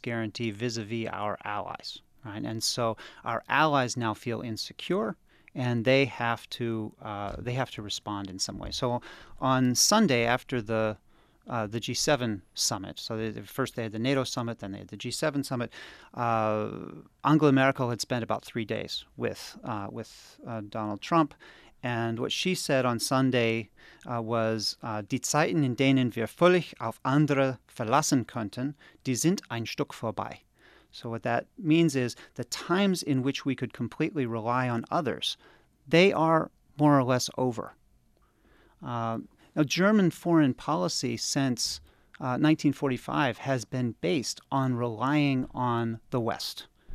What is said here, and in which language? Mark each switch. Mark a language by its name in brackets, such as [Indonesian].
[English] guarantee vis-a-vis our allies, right? And so our allies now feel insecure, and they have to respond in some way. So on Sunday after the G7 summit, so first they had the NATO summit, then they had the G7 summit, Angela Merkel had spent about 3 days with Donald Trump. And what she said on Sunday was, [German] die Zeiten, in denen wir völlig auf andere verlassen könnten, die sind ein Stück vorbei. [English] So what that means is the times in which we could completely rely on others, they are more or less over. Now, German foreign policy since 1945 has been based on relying on the West.